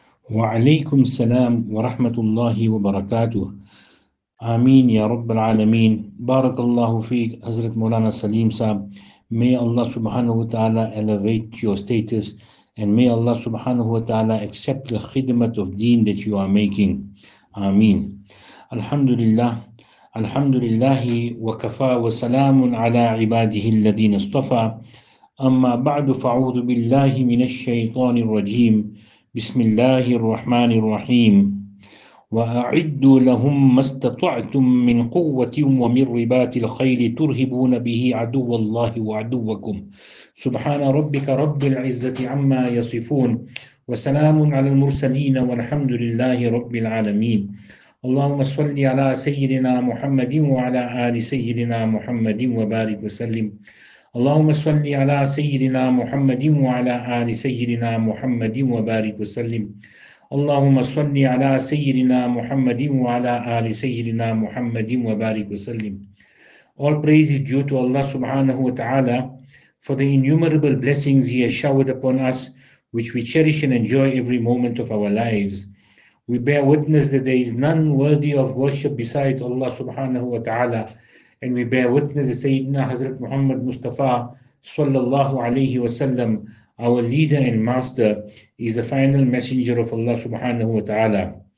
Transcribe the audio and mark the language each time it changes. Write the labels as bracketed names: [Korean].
[Arabic] وعليكم السلام ورحمة الله وبركاته. آمين يا رب العالمين. بارك الله فيك حضرة مولانا سليم صاحب. [English] May Allah subhanahu wa ta'ala elevate your status and may Allah subhanahu wa ta'ala accept the khidmat of deen that you are making. [Arabic] Ameen. Alhamdulillah. Alhamdulillahi wa kafa wa salamun ala ibadihi alladhin astafa. Amma ba'du fa'udhu billahi minash shaytanir rajim. Bismillahir rahmanir rahim. وأعدوا لهم ما استطعتم من قوة ومن رباط الخيل ترهبون به عدو الله وعدوكم سبحان ربك رب العزة عما يصفون وسلام على المرسلين والحمد لله رب العالمين اللهم صل على سيدنا محمد وعلى آل سيدنا محمد وبارك وسلم اللهم صل على سيدنا محمد وعلى آل سيدنا محمد وبارك وسلم اللهم صل على سيدنا محمد وعلى آل سيدنا محمد وبارك وسلم. [English] All praise is due to Allah subhanahu wa ta'ala for the innumerable blessings He has showered upon us, which we cherish and enjoy every moment of our lives. We bear witness that there is none worthy of worship besides Allah subhanahu wa ta'ala, and we bear witness that Sayyidina Hazrat Muhammad Mustafa sallallahu alayhi wa sallam, our leader and master, is the final messenger of Allah subhanahu wa ta'ala.